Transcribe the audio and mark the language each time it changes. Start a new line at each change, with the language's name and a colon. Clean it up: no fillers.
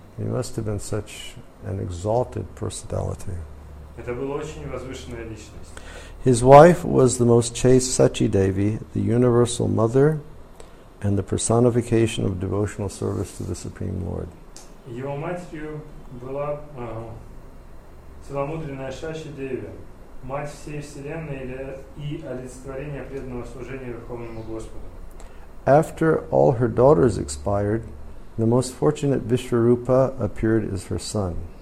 English: He must have been such an exalted personality.
Russian: Это была очень возвышенная личность.
English: His wife was the most chaste Sachi Devi, the universal mother and the personification of devotional service to the Supreme Lord.
Russian: Его матерью была целомудренная Сачи Деви, мать всей вселенной и олицетворение преданного служения Верховному Господу.
English: After all her daughters expired, the most fortunate Vishwarupa appeared as her son.